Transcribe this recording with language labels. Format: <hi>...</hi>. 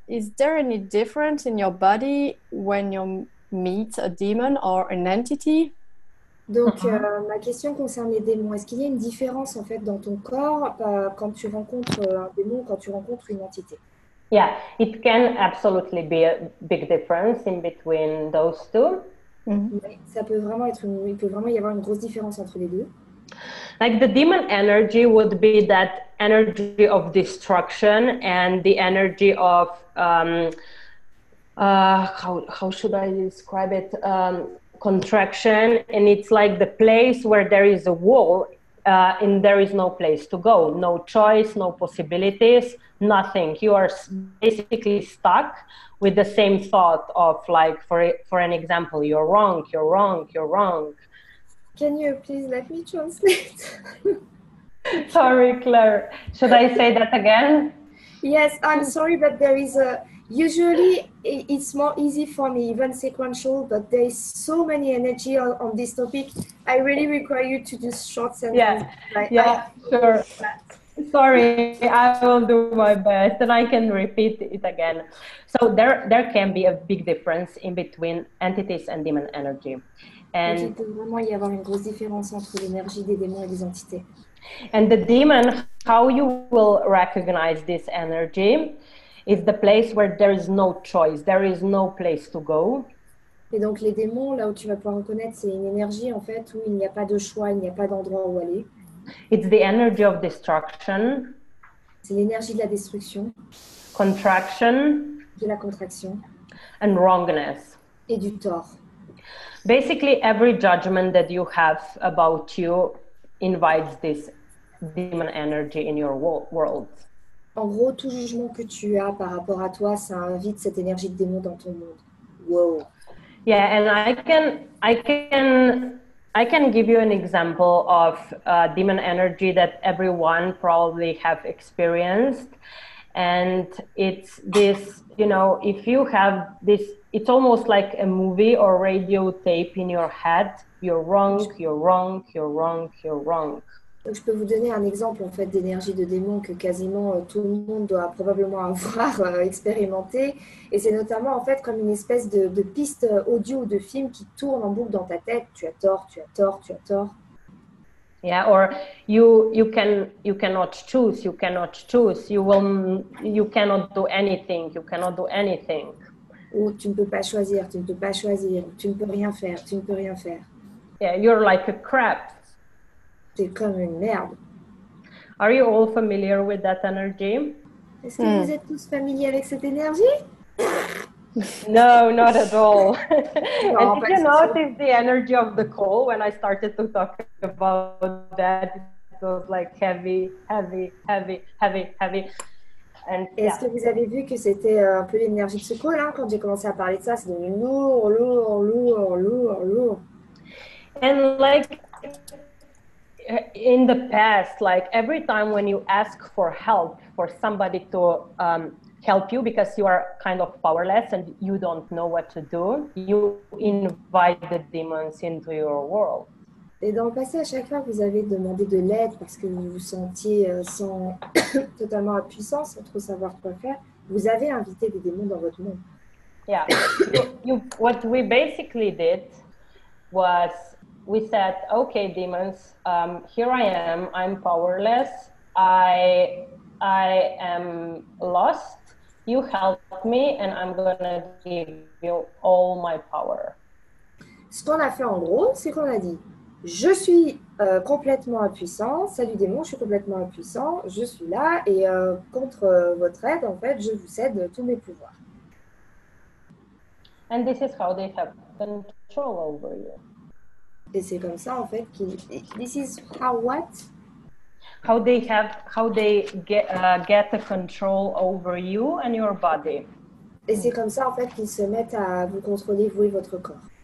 <en>Is there any difference in your body when you meet a demon or an entity?</en> <fr>Donc, ma question concerne les démons. Est-ce qu'il y a une différence, en fait, dans ton corps quand tu rencontres un démon, quand tu rencontres une entité?</fr> <en>Yeah, it can absolutely be a big difference in between those two. Mm-hmm.</en> <fr>Oui, ça peut vraiment être une, il peut vraiment y avoir une grosse différence entre les deux.</fr> <en>Like, the demon energy would be that energy of destruction and the energy of, how should I describe it? Contraction, and it's like the place where there is a wall and there is no place to go, no choice, no possibilities, nothing. You are basically stuck with the same thought of, like, for an example, you're wrong, you're wrong, you're wrong. Can you please let me translate? Sorry, Claire, should I say that again? Yes, I'm sorry, but there is a usually it's more easy for me, even sequential, but there is so many energy on this topic. I really require you to do short sentences. Yeah, sure. Sorry, I will do my best and I can repeat it again. So there can be a big difference in between entities and demon energy. And</en> <fr>il peut vraiment y avoir une grosse différence entre l'énergie des démons et des entités.</fr> <en>And the demon, how you will recognize this energy, is the place where there is no choice, there is no place to go.</en> <fr>Et donc les démons, là où tu vas pouvoir reconnaître, c'est une énergie en fait où il n'y a pas de choix, il n'y a pas d'endroit où aller.</fr> <en>It's the energy of destruction.</en> <fr>C'est l'énergie de la destruction.</fr> <en>Contraction.</en> <fr>De la contraction.</fr> <en>And wrongness.</en> <fr>Et du tort.</fr> <en>Basically, every judgment that you have about you invites this demon energy in your world.</en> <fr>En gros, tout jugement que tu as par rapport à toi, ça invite cette énergie de démon dans ton monde.</fr> <en>Wow. Yeah, and I can give you an example of demon energy that everyone probably have experienced. And it's this, you know, if you have this, it's almost like a movie or radio tape in your head. You're wrong, you're wrong, you're wrong, you're wrong.</en> <fr>Donc, je peux vous donner un exemple en fait d'énergie de démon que quasiment tout le monde doit probablement avoir expérimenté, et c'est notamment en fait comme une espèce de piste audio ou de film qui tourne en boucle dans ta tête. Tu as tort, tu as tort, tu as tort.</fr> <en>Yeah, or you cannot choose, you cannot choose, you cannot do anything.</en> <fr>Ou tu ne peux pas choisir, tu ne peux rien faire.</fr> <en>Yeah, you're like a crap.</en> <fr>C'est comme une merde.</fr> <en>Are you all familiar with that energy?</en> <fr>Est-ce que vous êtes tous familiers avec cette énergie?</fr> <en>No, not at all.</en> <fr>Non,</fr> <en>and did you notice the energy of the call when I started to talk about that? It was like heavy, heavy, heavy, heavy, heavy.</en> <fr>And est-ce que vous avez vu que c'était un peu l'énergie de ce call, hein, quand j'ai commencé à parler de ça? C'est devenu lourd, lourd, lourd, lourd, lourd.</fr> <en>And like, in the past, like every time when you ask for help, for somebody to help you because you are kind of powerless and you don't know what to do, you invite the demons into your world.</en> <fr>Et dans le passé, à chaque fois, vous avez demandé de l'aide parce que vous vous sentiez sans totalement impuissant, sans trop savoir quoi faire. Vous avez invité des démons dans votre monde. Yeah.</fr> <en>What we basically did was, we said, okay, demons, here I am, I'm powerless, I am lost, you help me, and I'm gonna give you all my power.</en> <fr>ce qu'on a fait en gros, c'est qu'on a dit « Je suis complètement impuissant, salut démon, je suis complètement impuissant, je suis là et contre votre aide, en fait, je vous cède tous mes pouvoirs. »</fr> <en>And this is how they have control over you.</en> <fr>Et c'est comme ça, en fait, qu'ils...</fr> <en>This is how what? How they get a control over you and your body.</en> <fr>Et c'est comme ça, en fait, qu'ils se mettent à vous contrôler, vous et votre corps.</fr>